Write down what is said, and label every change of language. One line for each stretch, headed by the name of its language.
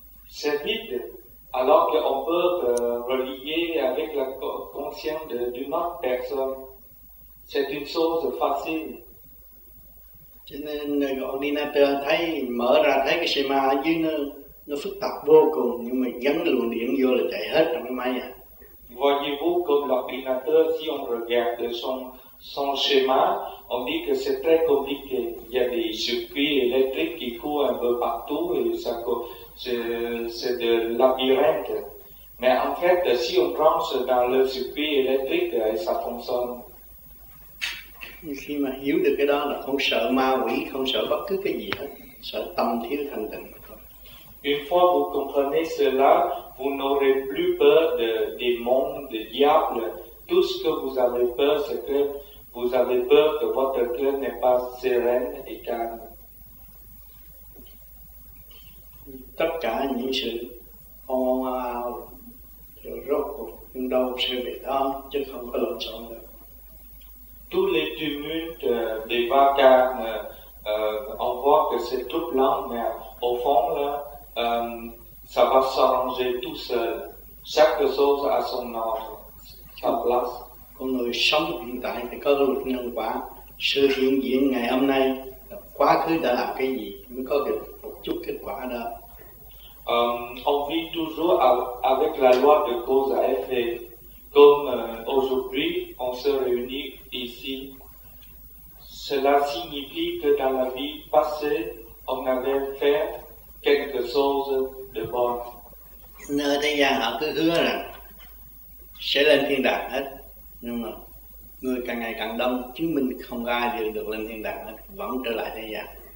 French: c'est vide, alors qu'on peut relier avec la conscience d'une autre personne, c'est une chose facile.
Vietnamese: Cho nên ordinateur thấy mở ra thấy cái schema ở dưới nó phức tạp vô cùng, nhưng mà dẫn luồng điện vô là chạy hết trong cái máy à.
French: Voyez-vous comme l'ordinateur, si on regarde son schéma, on dit que c'est très compliqué. Il y a des circuits électriques qui courent un peu partout et ça, c'est de labyrinthe. Mais en fait, si on branche dans le circuit électrique, ça fonctionne.
Vietnamese: Khi mà hiểu được cái đó là không sợ ma quỷ, không sợ bất cứ cái gì hết, sợ tâm thiếu thanh tịnh mà thôi.
French: Une fois vous comprenez cela, vous n'aurez plus peur de démons, de diables. Tout ce que vous avez peur, c'est que vous avez peur que votre cœur n'est pas serein et calme.
Vietnamese: Tất cả những sự hoang mang, rốt cuộc cũng đâu sẽ về đó, chứ không có lộn xộn được.
French: Tous les tumultes des vacarmes, on voit que c'est tout blanc, mais au fond, là, ça va s'arranger tout seul. Chaque chose a son ordre, sa place.
Vietnamese: Con người sống hiện tại thì có luật nhân quả. Sự hiện diện ngày hôm nay, quá khứ đã làm cái gì mới có được một chút kết quả đó.
French: On vit toujours avec la loi de cause à effet. Comme aujourd'hui, on se réunit ici. Cela signifie que dans la vie passée, on avait fait quelque chose de bon.
Vietnamese: Nơi thế gian họ cứ hứa là sẽ lên thiên đàng hết, nhưng mà người càng ngày càng đông, chứng minh không ai đều được lên thiên đàng hết, vẫn trở lại thế gian.